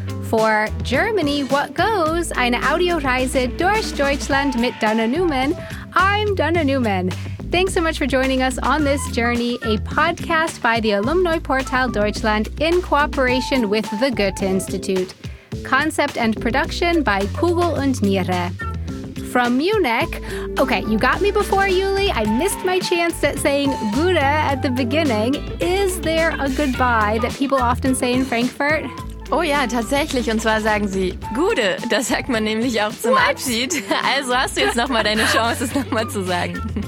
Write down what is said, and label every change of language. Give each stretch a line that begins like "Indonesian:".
English: For Germany, what goes?
German: Eine Audioreise durch Deutschland mit Dana Newman.
English: I'm Dana Newman. Thanks so much for joining us on this journey, a podcast by the Alumni Portal Deutschland in cooperation with the Goethe-Institut. Concept and production by Kugel und Niere. From Munich, okay, you got me before, Juli. I missed my chance at saying Gute at the beginning. Is there a goodbye that people often say in Frankfurt?
German: Oh ja, tatsächlich. Und zwar sagen sie Gude. Das sagt man nämlich auch zum
English: What?
German: Abschied. Also hast du jetzt nochmal deine Chance, es nochmal zu sagen.